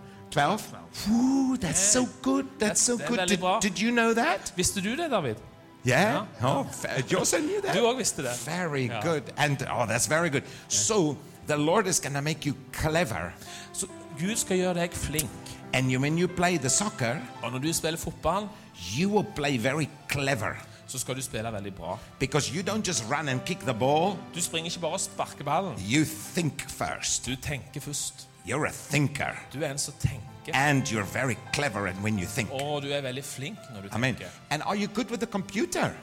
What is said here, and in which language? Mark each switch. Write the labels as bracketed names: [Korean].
[English] 12. Ooh, that's so good. That's so good. Did you know that? [Norwegian] Visste du det, David? [English] Yeah. Oh, you also knew that. [Norwegian] Du også visste det. [English] Very good. And oh, that's very good. So the Lord is going to make you clever. [Norwegian] Så Gud skal gjøre deg flink. [English] And you when you play the soccer, [Norwegian] og når du spiller fotball, [English] you will play very clever. [Norwegian] Så skal du spille veldig bra. [English] Because you don't just run and kick the ball. [Norwegian] Du springer ikke bare og sparker ballen. [English] You think first. [Norwegian] Du tenker først. [English] You're a thinker. [Norwegian] Du en så tenker. [English] And you're very clever and when you think. [Norwegian] Åh, du veldig flink når du tenker. [English] I mean, and are you good with the computer?